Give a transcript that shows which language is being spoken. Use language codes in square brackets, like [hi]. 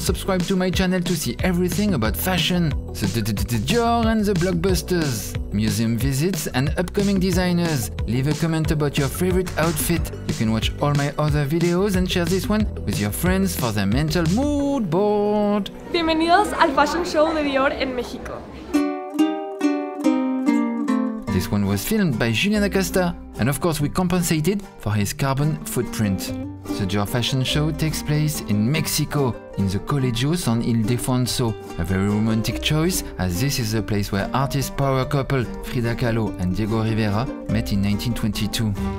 [en] Subscribe to my channel to see everything about fashion, the Dior and the blockbusters, museum visits and upcoming designers. Leave a comment about your favorite outfit. You can watch all my other videos and share this one with your friends for their mental mood board. [es] Bienvenidos al fashion show de Dior en México. [en] This one was filmed by Julian Acosta, and of course we compensated for his carbon footprint. The Dior fashion show takes place in Mexico, in the Colegio de San Ildefonso. A very romantic choice, as this is the place where artist power couple Frida Kahlo and Diego Rivera met in 1922.